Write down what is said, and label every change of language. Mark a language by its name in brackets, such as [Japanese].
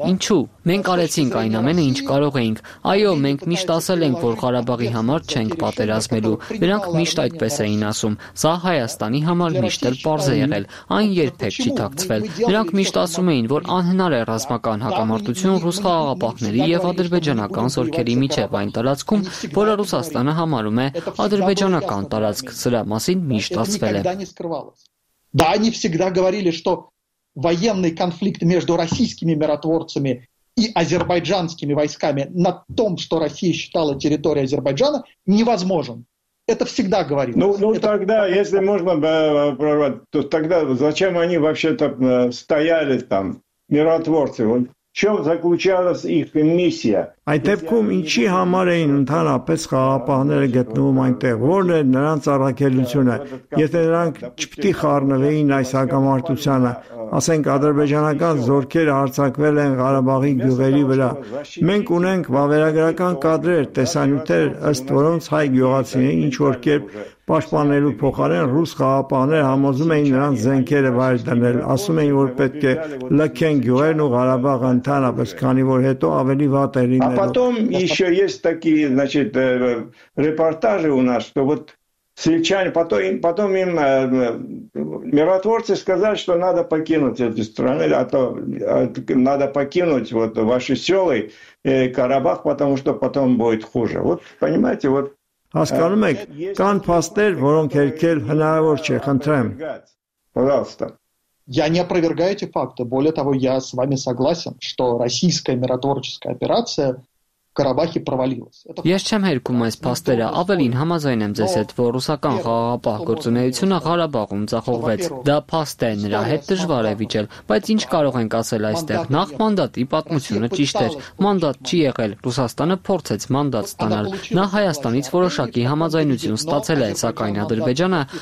[Armenian] «Ինչու՞, մենք արեցինք այն ամենը, ինչ կարող էինք»։ Այո, մենք միշտ ասել ենք, որ Ղարաբաղի համար չենք պատերազմելու։ Նրանք միշտ այդպես էին ասում։ Սա Հայաստանի համար միշտ էլ պարզ է եղել, այն երբեք չի ակցվել։ Նրանք միշտ ասում էին, որ անհնար է ռազմական հակամարտություն ռուս խաղաղապահների և ադրբեջանական զորքերի միջև այն տարածքում, որը Ռուսաստանը համարում է ադրբեջանական տարածք։ Սրա մասին միշտ ասվել է. [Russian] Да они всегда говорили, что военный конфликт между российскими миротворцами и азербайджанскими войсками на том, что Россия считала территорией Азербайджана, невозможен. Это всегда говорит. Тогда, если можно, то тогда зачем они вообще-то стояли там, миротворцы? Вот. Чем заключалась их миссия? [Armenian] Այդպքում ինչի համար էին ընդհանրապես խաղապահները գտնվում այնտեղ, որն է նրանց առաքելությունը, եթե նրանք չպտի խառնվեին այս հակամարտությանը, ասենք ադրբեջանական զորքեր հարձակվել են Ղարաբաղի գյուղերի վրա, մենք ունենք վավերագրական կադրեր, տեսանյութեր, ըստ որոնց հայ գյուղացիները ինչ որ կերպ պաշտպանելու փոխարեն ռուս խաղապահները համոզում էին նրանց զենքերը վայր դնել, ասում էին, որ պետք է լքեն գյուղերն ու Ղարաբաղը ընդհանրապես, քանի որ հետո ավելի վատ էր։ [Russian] А потом еще есть такие, значит, репортажи у нас, что вот сельчане, потом им миротворцы сказали, что надо покинуть эту страну, а то надо покинуть вот ваши села и Карабах, потому что потом будет хуже. Вот понимаете, вот... [Armenian] Асканум ек, кан пастер, ворон керкел, хнаворче, хантрем. [Russian] Пожалуйста. Я не опровергаю эти факты. Более того, я с вами согласен, что российская миротворческая операция [Armenian] Ես չեմ հերքում այս փաստերը, ավելին համաձայն եմ ձեզ հետ, որ ռուսական խաղաղապահ գործունեությունը Ղարաբաղում ձախողվեց։ Դա փաստ է, նրա հետ դժվար է վիճել, բայց ինչ կարող ենք ասել այստեղ, նախ մանդատի պատմությունը ճիշտ էր, մանդատ չի եղել, Ռուսաստանը փորձեց մանդատ ստանալ, նա Հայաստանից որոշակի համաձայնություն ստացել է, սակայն Ադրբեջանը